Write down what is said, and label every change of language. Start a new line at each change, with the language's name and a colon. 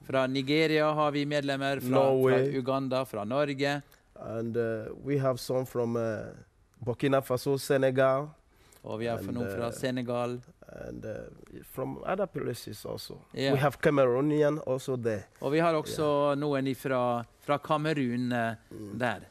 Norwegian: Fra Nigeria har vi medlemmer fra Uganda, fra Norge.
English: And we have some from Burkina Faso, Senegal.
Norwegian: Og vi har noen fra Senegal.
English: And from other places also. Yeah. We have Cameroonian also there.
Norwegian: Og vi har også noen fra Kamerun der.